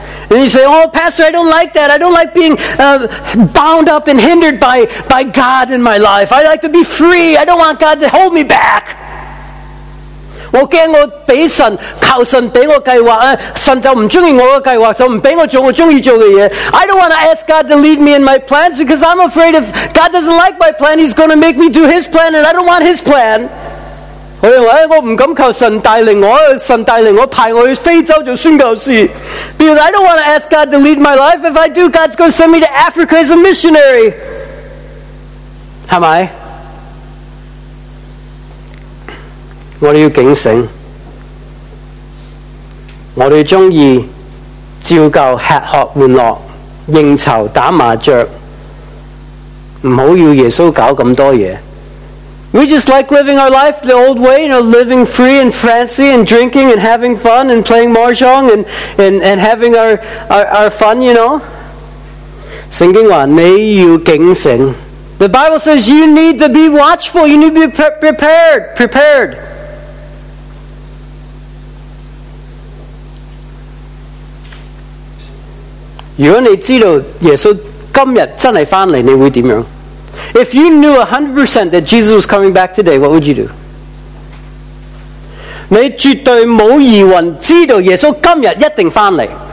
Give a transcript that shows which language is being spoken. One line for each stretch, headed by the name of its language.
English: And you say, oh, pastor, I don't like that. I don't like being bound up and hindered by God in my life. I like to be free. I don't want God to hold me back.
Chinese: 我怕我靠神给我计划，神就不喜欢我的计划，就不让我做我喜欢做的事。
English: I don't want to ask God to lead me in my plans, because I'm afraid if God doesn't like my plan, he's going to make me do his plan, and I don't want his plan.
Chinese: 我认为我不敢求神带领我，神带领我派我去非洲做宣教士。
English: Because I don't want to ask God to lead my life. If I do, God's going to send me to Africa as a missionary.
Chinese: 是吗？我们要警醒， 我们喜欢照旧吃喝玩乐应酬打麻将，不要耶稣搞这么多事。
English: We just like living our life the old way, you know, living free and fancy and drinking and having fun and playing mahjong and having our fun, you know.
Chinese: 圣经说你要警醒，
English: The Bible says you need to be watchful. You need to be prepared. Prepared. If you knew 100% that Jesus was coming back today, what would you do?
Chinese: 你絕對沒有疑問,知道耶穌今天一定回來。